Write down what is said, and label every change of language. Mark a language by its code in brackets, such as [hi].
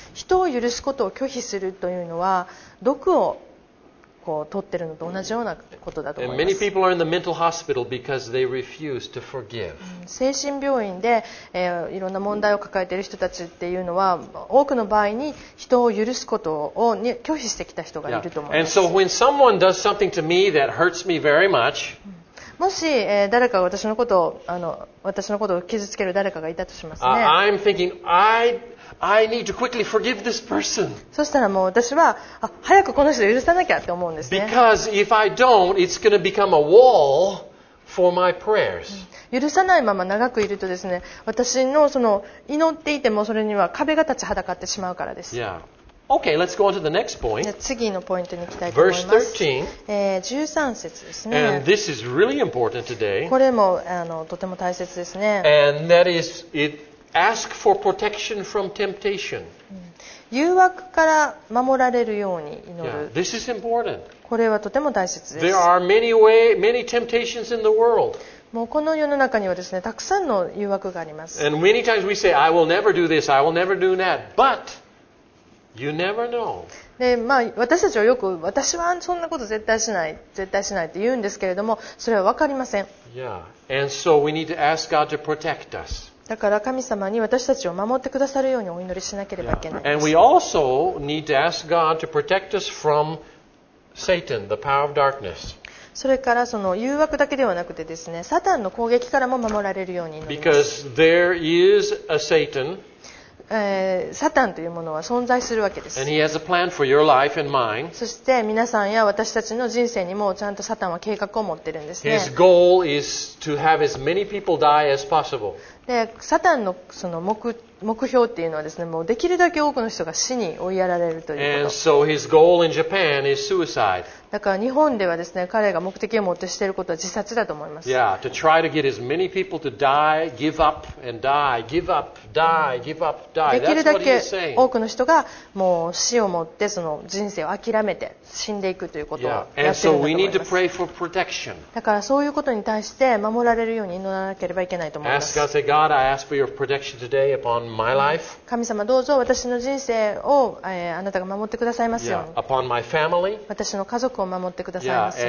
[ja] 人を許すことを拒否するというのは、毒をこう取ってるのと同じようなことだと思います。 [en] Many people are in the mental hospital because they refuse to forgive. [ja] 精神病院で、いろんな問題を抱えている人たちっていうのは、多くの場合に人を許すことを拒否してきた人がいると思います。Yeah. [en] And so when someone does something to me that hurts me very much, [ja] もし、誰かが私のことを私のことを傷つける誰かがいたとしますね。 [en] I'm thinking I need to quickly forgive this person. [ja] そしたらもう私は早くこの人を許さなきゃって思うんですね。 [en] Because if I don't, it's going to become a wall for my prayers. [ja] 許さないまま長くいるとですね、私のその祈っていてもそれには壁が立ちはだかってしまうからです。 [en] Yeah. Okay, let's go on to the next point. [ja] じゃあ次のポイントに行きたいと思います。 [en] Verse 13. [ja] 13節ですね。 [en] And this is really important today. [ja] これもとても大切ですね。 [en] And that is it. Ask for protection from temptation. [ja] 誘惑から守られるように祈る。 [en] Yeah, this is important. [ja] これはとても大切です。 [en] There are many temptations in the world. [ja] もうこの世の中にはですね、たくさんの誘惑があります。 [en] And many times we say, I will never do this, I will never do that. But you never know. [ja] で、まあ私たちはよく、私はそんなこと絶対しない、絶対しないって言うんですけれども、それはわかりません。 [en] Yeah. And so we need to ask God to protect us. [ja] だから神様に私たちを守ってくださるようにお祈りしなければいけないです。 [en] Yeah. And we also need to ask God to protect us from Satan, the power of darkness. [ja] それからその誘惑だけではなくてですね、サタンの攻撃からも守られるように祈ります。 [en] Because there is a Satan. [ja] サタンというものは存在するわけです。 [en] And he has a plan for your life and mine. [ja] そして皆さんや私たちの人生にもちゃんとサタンは計画を持ってるんですね。 [en] His goal is to have as many people die as possible. [ja] でサタン の, その 目標っていうのはですね、もうできるだけ多くの人が死に追いやられるということ。 [en] And so his goal in Japan is suicide. [ja] だから日本ではですね、彼が目的を持ってしていることは自殺だと思います。 [en] Yeah, to try to get as many people to die, give up and die, give up, die, give up, die. [ja] できるだけ多くの人がもう死を持ってその人生を諦めて死んでいくということをやっているんだと思います。 [en] Yeah. And so we need to pray for protection. [ja] だからそういうことに対して守られるように祈らなければいけないと思います。 [en] God, I ask for your protection today upon my life. [ja] 神様どうぞ私の人生を、あなたが守ってくださいますように。 [en] Yeah, upon my family. [ja] 私の家族を守ってくださいますように。